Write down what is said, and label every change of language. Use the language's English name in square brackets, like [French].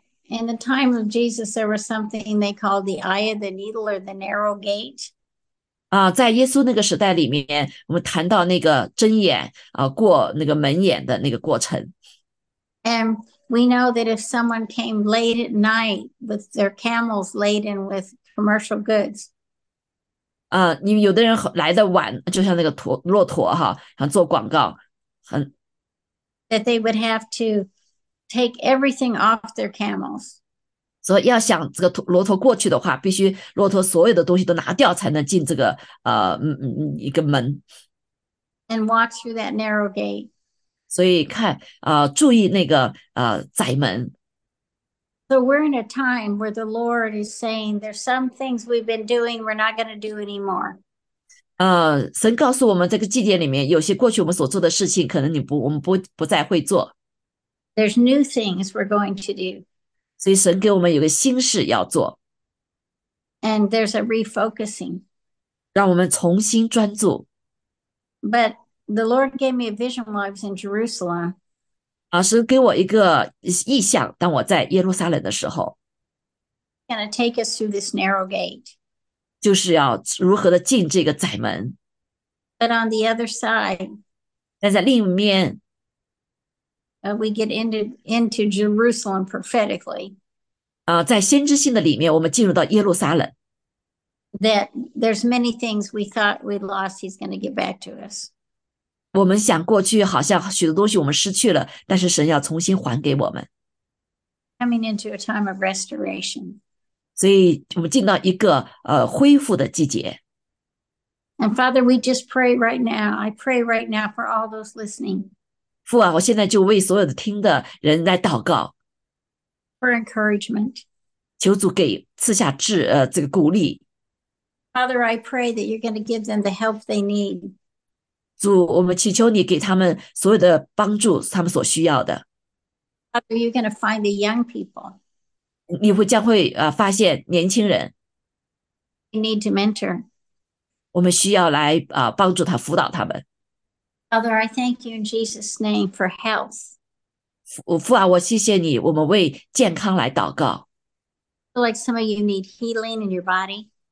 [English] In the time of Jesus, there was something they called the eye of the needle or the narrow gate. [Chinese] 在耶稣那个时代里面，我们谈到那个针眼过那个门眼的那个过程。 [English] And we know that if someone came late at night with their camels laden with commercial goods. [Chinese] 有的人来的晚，就像那个骆驼哈，想做广告， [English] That they would have to take everything off their camels. [Chinese] 所以要想这个骆驼过去的话，必须骆驼所有的东西都拿掉才能进这个一个门。 [English] And walk through that narrow gate. [Chinese] 所以看注意那个窄门。 [English] So we're in a time where the Lord is saying there's some things we've been doing we're not going to do anymore. [Chinese] 神告诉我们这个季节里面有些过去我们所做的事情可能我们不再会做。 [English] There's new things we're going to do. [Chinese] 所以神给我们有个新事要做。 [English] And there's a refocusing. [Chinese] 让我们重新专注。 [English] But the Lord gave me a vision while I was in Jerusalem. [Chinese] 神给我一个意象，当我在耶路撒冷的时候。 [English] Going to take us through this narrow gate. [Chinese] 就是要如何的进这个窄门。 [English] But on the other side. [Chinese] 但在另一面。 [English] We get into Jerusalem prophetically. [Chinese] 在先知性的里面，我们进入到耶路撒冷。 [English] That there's many things we thought we'd lost, He's going to give back to us. [Chinese] 我们想过去好像许多东西我们失去了，但是神要重新还给我们。 [English] Coming into a time of restoration. [Chinese] 所以我们进到一个恢复的季节。 [English] And Father, we just pray right now. I pray right now for all those listening. [Chinese] 父啊，我现在就为所有的听的人来祷告。 [English] For encouragement. [Chinese] 求主给赐下这个鼓励。 [English] Father, I pray that you're going to give them the help they need. [Chinese] 主，我们祈求你给他们所有的帮助，他们所需要的。 [English] Father, you're going to find the young people. [Chinese] 你会将会发现年轻人。 [English] You need to mentor. [Chinese] 我们需要来帮助他，辅导他们。 [English] Father, I thank you in Jesus' name for health. [Chinese] 父啊，我谢谢你，我们为健康来祷告。 [English] Like some of you need healing in your body.